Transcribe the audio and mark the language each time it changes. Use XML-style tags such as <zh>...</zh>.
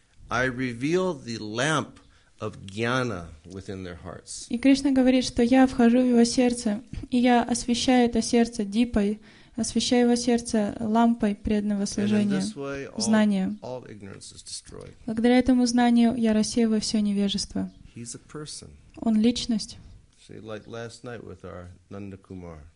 <en>I reveal the lamp of jnana within their hearts.</en> <ru>И Кришна говорит, что я вхожу в его сердце, и я освещаю это сердце дипой, освещаю его сердце лампой преданного служения, знанием.</ru> <en>All ignorance is destroyed.</en> <ru>Благодаря этому знанию я рассеиваю все невежество.</ru> <en>He's a person.</en> <ru>Он личность.</ru> <en>See, like last night with our Nanda Kumar.</en>